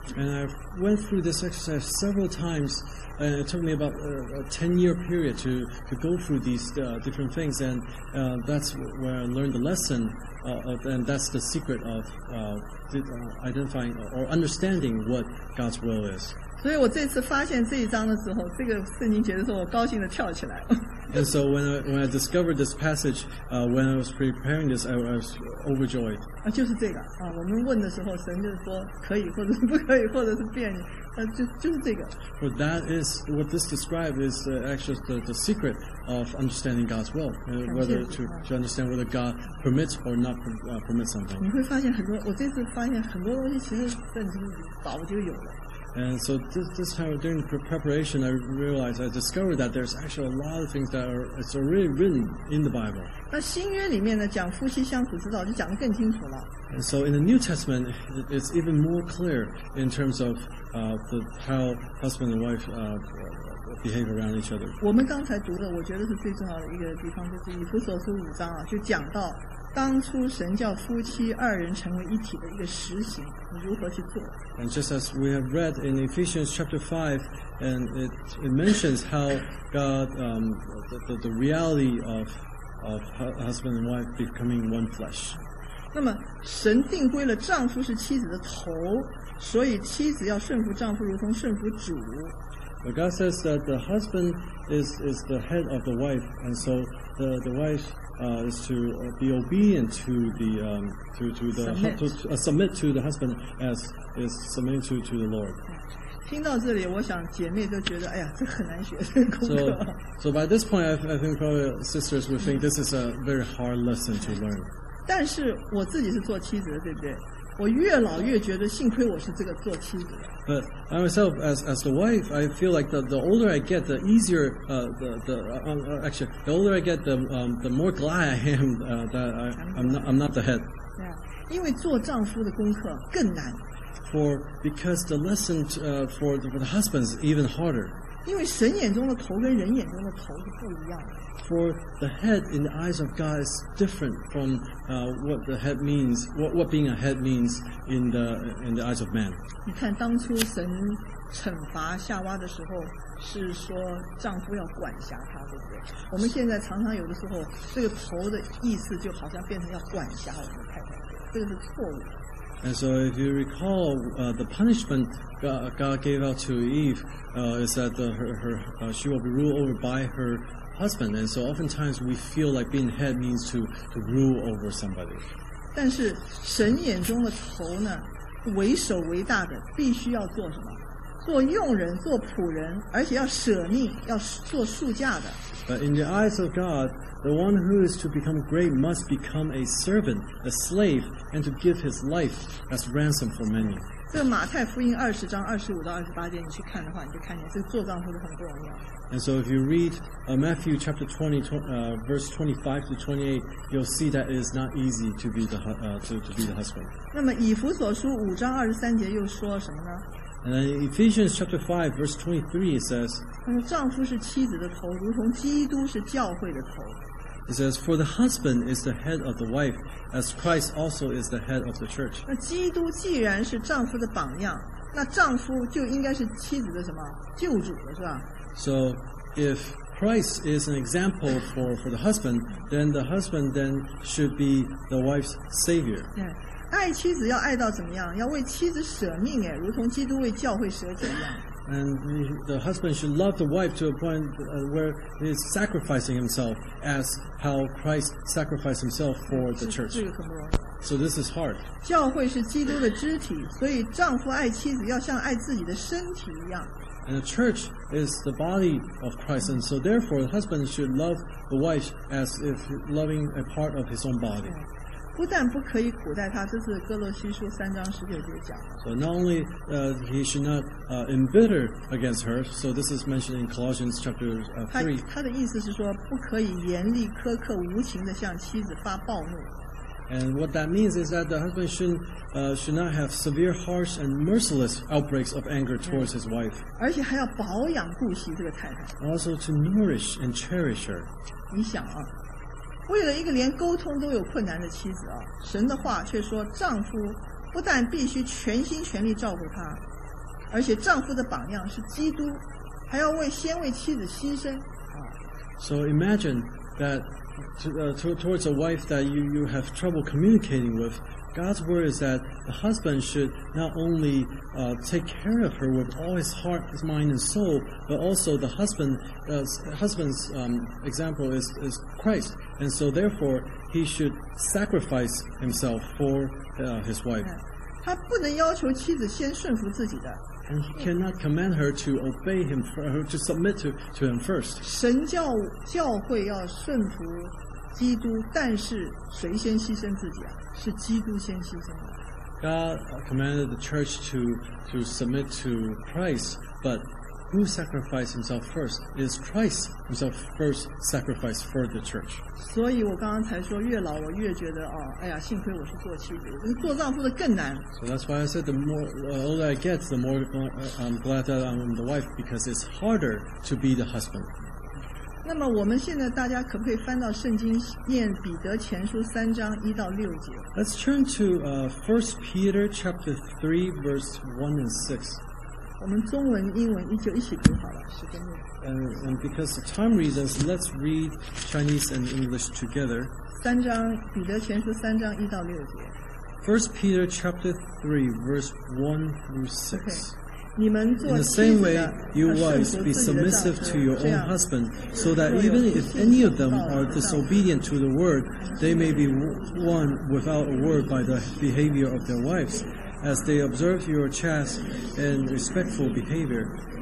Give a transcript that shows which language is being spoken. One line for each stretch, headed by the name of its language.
English: And I went through this exercise several times, and it took me about a 10-year period to go through these different things, and that's where I learned the lesson. And that's the secret of identifying or understanding what God's will is.
Chinese: 所以我这次发现这一章的时候，这个圣经节的时候，我高兴的跳起来。
English: And so when I discovered this passage, when I was preparing this, I was overjoyed.
Chinese: 就是这个啊，我们问的时候，神就说可以，或者是不可以，或者是变你。就是这个。
English: For that is what this describes is actually the secret of understanding God's will, whether to understand whether God permits or not permits something.
Chinese: 你会发现很多，我这次发现很多东西其实圣经早就有了。
English: And so this time during preparation, I realized, I discovered that there's actually a lot of things it's already written in the Bible.
Chinese: 那新约里面呢，讲夫妻相处之道就讲得更清楚了。
English: And so in the New Testament, it's even more clear in terms of how husband and wife behave around each other.
Chinese: 我们刚才读的，我觉得是最重要的一个地方，就是以弗所书五章啊，就讲到当初神叫夫妻二人成为一体的一个实行，你如何去做。
English: And just as we have read in Ephesians chapter 5, and it mentions how God, the reality of husband and wife becoming one flesh.
Chinese: 那么神定规了丈夫是妻子的头，所以妻子要顺服丈夫如同顺服主。
English: But God says that the husband is the head of the wife, and so the wife is to be obedient to the submit to the husband as is submitting to the Lord.
Chinese: 听到这里，我想姐妹都觉得，哎呀，这很难学。
English: So by this point, I think probably sisters would think this is a very hard lesson to learn.
Chinese: 但是我自己是做妻子的，对不对？我越老越觉得幸亏我是这个做妻子的。
English: But I myself, as the wife, I feel like the older I get, the easier, the older I get, the more glad I am that I'm not the head. Yeah.
Chinese: 因为做丈夫的功课更难。
English: Because the lesson for the husband is even harder.
Chinese: 因为神眼中的头跟人眼中的头是不一样的。
English: For the head in the eyes of God is different from what the head means, what being a head means in the eyes of man.
Chinese: 你看当初神惩罚夏娃的时候是说丈夫要管辖她，对不对？我们现在常常有的时候这个头的意思就好像变成要管辖我们的太太，这个是错误的。
English: And so if you recall, the punishment God gave out to Eve is that she will be ruled over by her husband. And so oftentimes we feel like being head means to rule over somebody.
Chinese: 但是神眼中的头呢，为首为大的必须要做什么？做用人，做仆人，而且要舍命，要做束架的。
English: But in the eyes of God, the one who is to become great must become a servant, a slave, and to give his life as ransom for many.
Chinese: 这个马太福音二十章二十五到二十八节，你去看的话，你就看见这个做丈夫的很不容易。
English: And so, if you read Matthew chapter 20, verse 25 to 28, you'll see that it is not easy to be the husband.
Chinese: 那么以弗所书五章二十三节又说什么呢？
English: And in Ephesians chapter 5, verse 23, it says,
Chinese: 丈夫是妻子的头，如同基督是教会的头。
English: It says, for the husband is the head of the wife, as Christ also is the head of the church.
Chinese: 那基督既然是丈夫的榜样，那丈夫就应该是妻子的什么？救主了，是吧？
English: So, if Christ is an example for the husband, then the husband then should be the wife's savior.
Chinese: Yeah. 爱妻子要爱到怎么样？要为妻子舍命，哎，如同基督为教会舍己一样。
English: And the husband should love the wife to a point where he is sacrificing himself, as how Christ sacrificed himself for the church.
Chinese: 这个很不容易。
English: So this is hard.
Chinese: 教会是基督的肢体，所以丈夫爱妻子要像爱自己的身体一样。
English: And the church is the body of Christ, and so therefore the husband should love the wife as if loving a part of his own body.
Chinese: 不但不可以苦待他，这是哥罗西书三章十九节讲。
English: So not only he should not embitter against her, so this is mentioned in Colossians chapter 3.
Chinese: 他的意思是说，不可以严厉苛刻无情地向妻子发暴怒。
English: And what that means is that the husband should not have severe, harsh, and merciless outbreaks of anger towards his wife.
Chinese: 而且还要保养顾惜这个太太。
English: Also to nourish and cherish her.
Chinese: 你想啊。为了一个连沟通都有困难的妻子啊，神的话却说丈夫不但必须全心全力照顾她，而且丈夫的榜样是基督，还要先为妻子牺牲啊。
English: So imagine that towards a wife that you have trouble communicating with, God's word is that the husband should not only take care of her with all his heart, his mind, and soul, but also the husband's example is Christ. And so therefore, he should sacrifice himself for his wife.
Chinese: 他不能要求妻子先顺服自己的。
English: And he cannot command her to obey him, to submit to him first.
Chinese: 神教会要顺服基督，但是谁先牺牲自己啊？是基督先牺牲的。
English: God commanded the church to submit to Christ, but who sacrificed himself first? It is Christ himself first sacrificed for the church.
Chinese: 所以我刚才说，越老我越觉得哦，哎呀，幸亏我是做妻子，做丈夫的更难。
English: So that's why I said the more older I get, the more I'm glad that I'm the wife, because it's harder to be the husband.
Chinese: 那么我们现在大家可不可以翻到圣经念彼得前书三章一到六节？
English: Let's turn to First Peter chapter 3 verse 1 and 6.
Chinese: 我们中文英文就一起读好了，十个念。
English: And because of time reasons, let's read Chinese and English together.
Chinese: 三章，彼得前书三章一到六节。
English: First Peter chapter 3, verse 1 through 6.
Chinese: Okay. 你们做妻子的,
English: In the same way, you wives, be submissive to your own husband, so that even if any of them are disobedient to the word, they may be won without a word by the behavior of their wives, as they observe your chaste and respectful behavior.